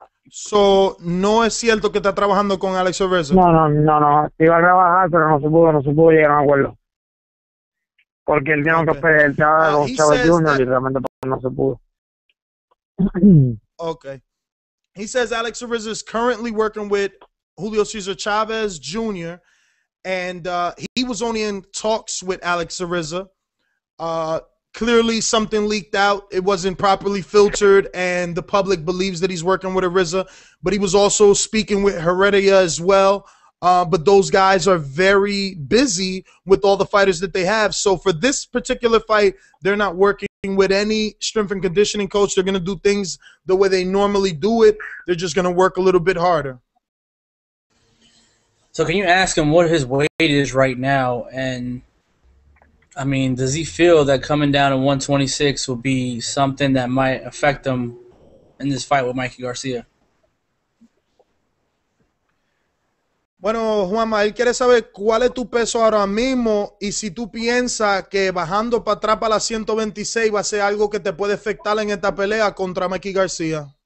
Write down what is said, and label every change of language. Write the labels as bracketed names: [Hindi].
[Spanish] So, ¿no es cierto que está trabajando con Alex Ariza? No. Iba a trabajar, pero no se pudo llegar a un acuerdo. Porque él tiene otro pelea, él estaba con Chávez Junior y realmente no se pudo. Okay. [English] He says Alex Ariza is currently working with Julio Cesar Chavez Jr., and he was only in talks with Alex Ariza clearly something leaked out. It wasn't properly filtered, and the public believes that he's working with RZA. But he was also speaking with Heredia as well. But those guys are very busy with all the fighters that they have. So for this particular fight, they're not working with any strength and conditioning coach. They're going to do things the way they normally do it. They're just going to work a little bit harder. So can you ask him what his weight is right now? And, I mean, does he feel that coming down to 126 will be something that might affect him in this fight with Mikey Garcia? [Spanish] Bueno, Juanma, él quiere saber cuál es tu peso ahora mismo y si tú piensas que bajando para atrás para la 126 va a ser algo que te puede afectar en esta pelea contra Mikey García.